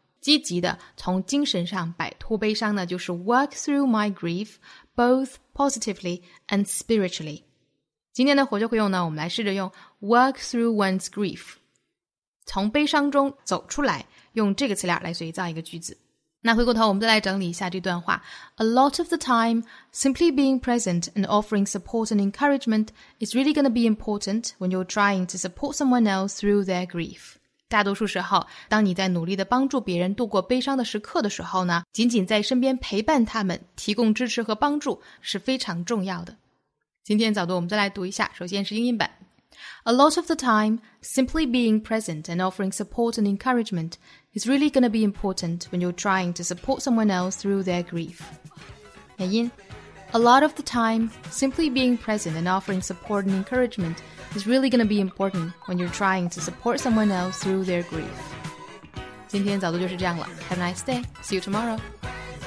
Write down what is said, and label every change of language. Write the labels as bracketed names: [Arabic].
[Chinese] 积极的从精神上摆脱悲伤呢，就是 [English] work through my grief, both positively and spiritually. [Chinese] 今天的活就会用呢，我们来试着用 [English] work through one's grief, [Chinese] 从悲伤中走出来，用这个词链来随意造一个句子。那回过头我们再来整理一下这段话。 [English] A lot of the time, simply being present and offering support and encouragement is really going to be important when you're trying to support someone else through their grief. [Chinese] 大多数时候，当你在努力地帮助别人度过悲伤的时刻的时候呢，仅仅在身边陪伴他们，提供支持和帮助是非常重要的。今天早读我们再来读一下，首先是英音版。 [English] A lot of the time, simply being present and offering support and encouragement is really going to be important when you're trying to support someone else through their grief. [Chinese] 原因 [English] A lot of the time, simply being present and offering support and encouragement is really going to be important when you're trying to support someone else through their grief. [Chinese] 今天早读就是这样了 [English] Have a nice day. See you tomorrow.